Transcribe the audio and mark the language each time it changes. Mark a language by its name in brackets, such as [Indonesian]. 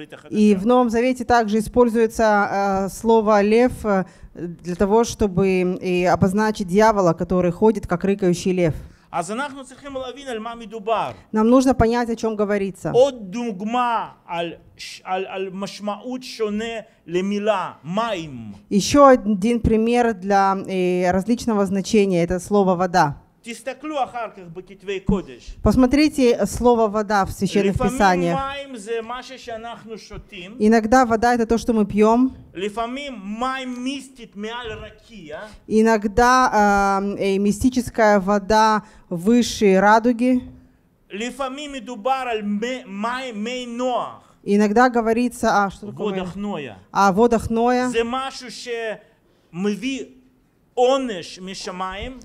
[Russian] И в Новом Завете также используется слово лев для того, чтобы обозначить дьявола, который ходит как рыкающий лев. [Hebrew] אז אנחנו צריכים להבין על מה מדובר. [Russian] Нам нужно понять, о чем говорится. [Hebrew] עוד דוגמה על משמעות שונה למילה מים. [Russian] Еще один пример для различного значения это слово вода. [Hebrew] תסתכלו אחר כך בכתבי קודש. [Russian] Посмотрите слово вода в священных писаниях. [Hebrew] לפעמים מים זה משהו שאנחנו שותים. [Russian] Иногда вода это то, что мы пьем. [Hebrew] לפעמים מים מיסטית מעל רקיע. [Russian] Иногда мистическая вода выше радуги. [Hebrew] לפעמים מדובר על מי נוח. [Russian] Иногда говорится о водах Ноя. О водах Ноя. [Hebrew] זה משהו שמביא онеш мишамаим.